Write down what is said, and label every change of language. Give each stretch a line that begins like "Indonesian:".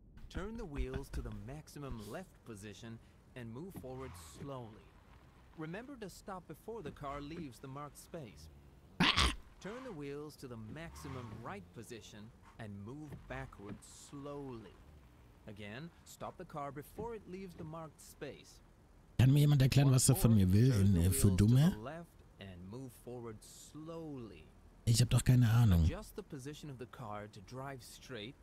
English: Turn the wheels to the maximum left position and move forward slowly. Remember to stop before the car leaves the marked space. Turn the wheels to the maximum right position and move backward slowly. Again, stop the car before it leaves the marked space.
German: Kann mir jemand erklären, was er von mir will, für Dumme?
English: Left and move forward slowly.
German: Ich hab doch keine Ahnung.
English: Adjust the position of the car to drive straight.